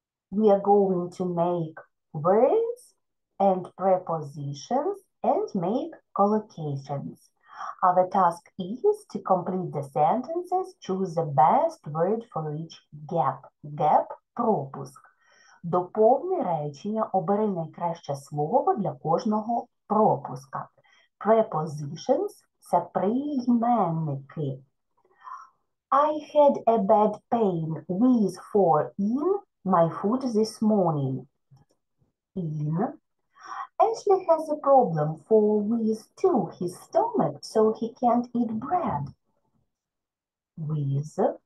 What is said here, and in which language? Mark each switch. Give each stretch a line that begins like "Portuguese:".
English: We are going to make words and prepositions and make collocations. Our task is to complete the sentences, choose the best word for each gap. Gap – пропуск.
Ukrainian: Доповни речення, обери найкраще слово для кожного пропуска. Prepositions – це прийменники.
English: I had a bad pain with four in my foot this morning. In. Ashley has a problem for with two his stomach, so he can't eat bread. With.